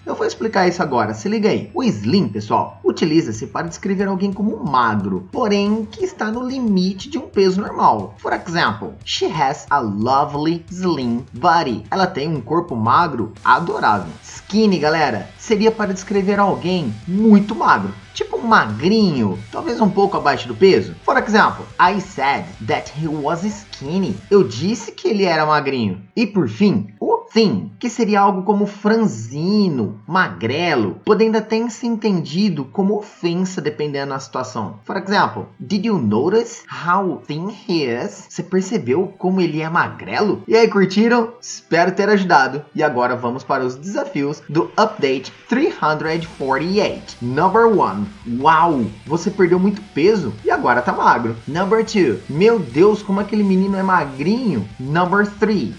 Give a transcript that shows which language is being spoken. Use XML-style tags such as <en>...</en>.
<pt>Eu vou explicar isso agora, se liga aí. O slim, pessoal, utiliza-se para descrever alguém como magro, porém que está no limite de um peso normal.</pt> <en>For example, she has a lovely slim body.</en> <pt>Ela tem um corpo magro adorável. Skinny, galera, seria para descrever alguém muito magro. Tipo magrinho, talvez um pouco abaixo do peso.</pt> <en>For example, I said that he was skinny.</en> <pt>Eu disse que ele era magrinho. E por fim, o thin, que seria algo como franzino, magrelo, podendo até ser entendido como ofensa dependendo da situação.</pt> <en>For example, did you notice how thin he is?</en> <pt>Você percebeu como ele é magrelo? E aí, curtiram? Espero ter ajudado. E agora vamos para os desafios do Update 348.</pt> <en>Number 1.</en> <pt>Uau, você perdeu muito peso e agora tá magro.</pt> <en>Number 2.</en> <pt>Meu Deus, como aquele menino é magrinho.</pt> <en>Number 3.</en>